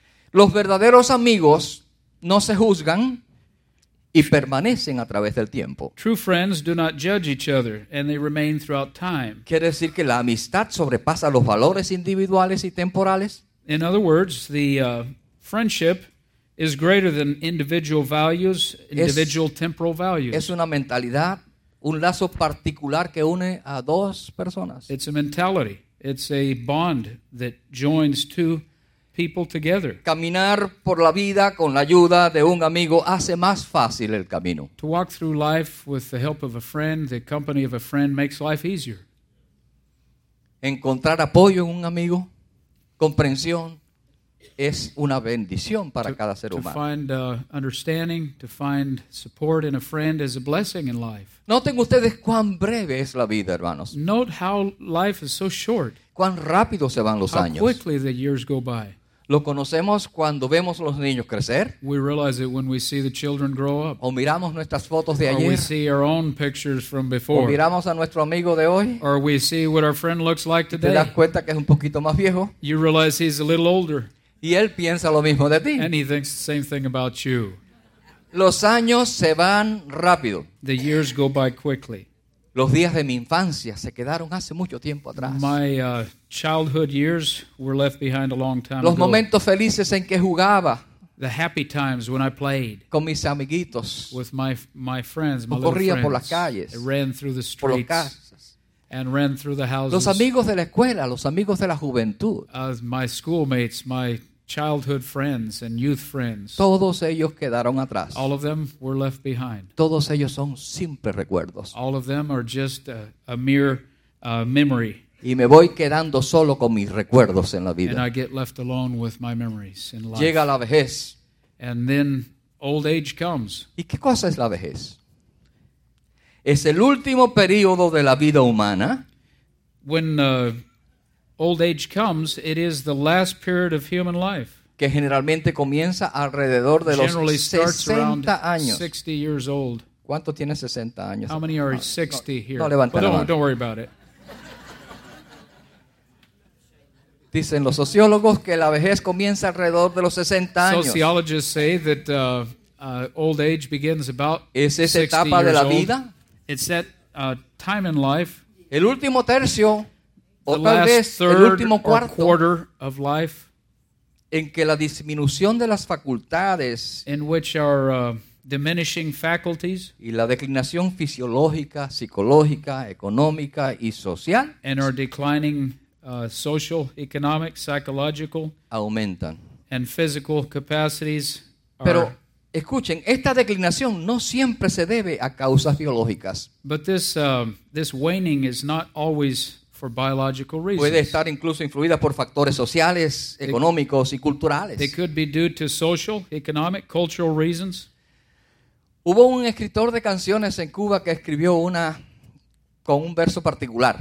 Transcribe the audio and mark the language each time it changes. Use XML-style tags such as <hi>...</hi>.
<es>Los verdaderos amigos no se juzgan y permanecen a través del tiempo.</es> <en>True friends do not judge each other, and they remain throughout time.</en> <es>¿Quiere decir que la amistad sobrepasa los valores individuales y temporales?</es> <en>In other words, the friendship is greater than individual values, individual temporal values.</en> <es>Es una mentalidad, un lazo particular que une a dos personas.</es> <en>It's a mentality. It's a bond that joins two people together.</en> <es>Caminar por la vida con la ayuda de un amigo hace más fácil el camino.</es> <en>To walk through life with the help of a friend, the company of a friend makes life easier.</en> <es>Encontrar apoyo en un amigo, comprensión, es una bendición para cada ser humano.</es> <en>To find understanding, to find support in a friend is a blessing in life.</en> <es>Noten ustedes cuán breve es la vida, hermanos.</es> <en>Note how life is so short.</en> <es>Cuán rápido se van los años.</es> <en>How quickly the years go by.</en> <es>Lo conocemos cuando vemos los niños crecer.</es> <en>We realize it when we see the children grow up.</en> <es>O miramos nuestras fotos de ayer.</es> <en>Or we see our own pictures from before.</en> <es>O miramos a nuestro amigo de hoy.</es> <en>Or we see what our friend looks like today.</en> <es>Te das cuenta que es un poquito más viejo.</es> <en>You realize he's a little older.</en> <es>Y él piensa lo mismo de ti.</es> <en>And he thinks the same thing about you.</en> <es>Los años se van rápido.</es> <en>The years go by quickly.</en> <es>Los días de mi infancia se quedaron hace mucho tiempo atrás.</es> <en>My childhood years were left behind a long time</en> <es>Los</es> <en>ago.</en> <es>Los momentos felices en que jugaba.</es> <en>The happy times when I played.</en> <es>Con mis amiguitos.</es> <en>With my friends, my</en> <es>corría</es> <en>little friends.</en> <es>Por las calles.</es> <en>I ran through the streets.</en> <es>Por las casas.</es> <en>And ran through the houses.</en> <es>Los amigos de la escuela, los amigos de la juventud.</es> <en>My schoolmates, my childhood friends and youth friends.</en> <es>Todos ellos quedaron atrás.</es> <en>All of them were left behind.</en> <es>Todos ellos son simples recuerdos.</es> <en>All of them are just a mere memory.</en> <es>Y me voy quedando solo con mis recuerdos en la vida.</es> <en>And I get left alone with my memories in life.</en> <es>Llega la vejez.</es> <en>And then old age comes.</en> <es>¿Y qué cosa es la vejez? Es el último periodo de la vida humana.</es> <en>When old age comes, it is the last period of human life.</en> <es>Que generalmente comienza alrededor de los 60 años.</es> <en>60 years old.</en> <es>¿Cuánto tiene 60 años?</es> <en>How many are 60 here?</en> <es>No levanta la mano.</es> <en>Don't worry about it.</en> <es>Dicen los sociólogos que la vejez comienza alrededor de los 60 años.</es> <en>Sociologists say that old age begins about 60 years old.</en> <es>¿Es esa etapa de la vida?</es> <en>It's that time in life.</en> <es>El último tercio.</es> <en>The last third or quarter of life,</en> <es>en que la disminución de las facultades,</es> <en>in which our diminishing faculties,</en> <es>y la declinación fisiológica, psicológica, económica y social,</es> <en>and our declining social, economic, psychological,</en> <es>aumentan,</es> <en>and physical capacities.</en> <es>Pero escuchen, esta declinación no siempre se debe a causas biológicas.</es> <en>But this waning is not always for biological reasons.</en> <es>Puede estar incluso influida por factores sociales, económicos y culturales.</es> <en>It could be due to social, economic, cultural reasons.</en> <es>Hubo un escritor de canciones en Cuba que escribió una con un verso particular.</es>